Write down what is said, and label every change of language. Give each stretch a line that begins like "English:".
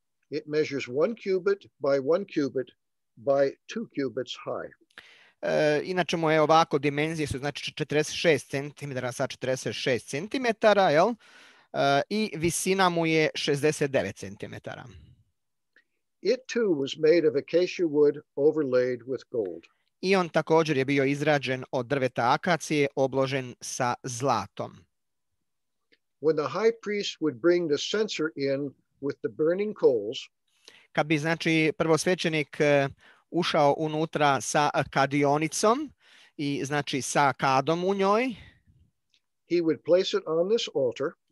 English: It measures one cubit by one cubit by two cubits high.
Croatian: Inače mu je ovako, dimenzije su znači 46 cm sa 46 cm, jel? I visina mu je 69 cm.
English: It too was made of acacia wood overlaid with gold.
Croatian: I on također je bio izrađen od drveta akacije, obložen sa zlatom.
English: When the high priest would bring the censer in with the burning coals,
Croatian: kad bi znači prvosvećenik ušao unutra sa kadionicom i znači sa kadom u njoj,
English: he would place it on this altar.